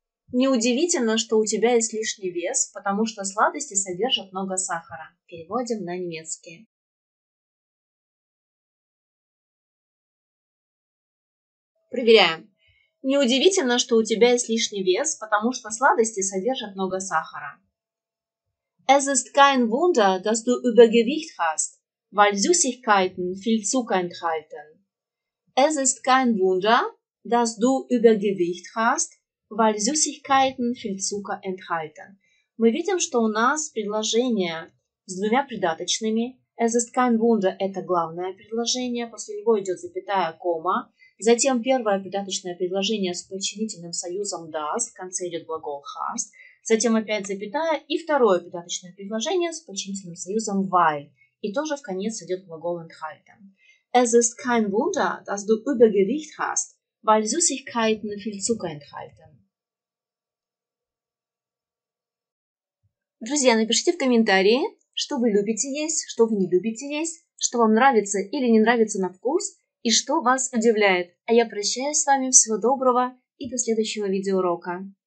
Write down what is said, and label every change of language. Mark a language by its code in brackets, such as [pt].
[ru] Неудивительно, что у тебя есть лишний вес, потому что сладости содержат много сахара. Переводим на немецкий. Проверяем. Неудивительно, что у тебя есть лишний вес, потому что сладости содержат много сахара. [de] Es ist kein Wunder, dass du Übergewicht hast, weil Süßigkeiten viel Zucker enthalten. Es ist kein Wunder, dass du Übergewicht hast, weil Süßigkeiten viel Zucker enthalten. [ru] Мы видим, что у нас предложение с двумя придаточными. [de] Es ist kein Wunder – [ru] это главное предложение. После него идет запятая, кома. Затем первое придаточное предложение с подчинительным союзом das. В конце идет глагол hast. Затем опять запятая. И второе придаточное предложение с подчинительным союзом weil. И тоже в конец идет глагол enthalten. [de] Es ist kein Wunder, dass du Übergewicht hast, weil Süßigkeiten viel Zucker enthalten. [ru] Друзья, напишите в комментарии, что вы любите есть, что вы не любите есть, что вам нравится или не нравится на вкус и что вас удивляет. А я прощаюсь с вами, всего доброго и до следующего видеоурока.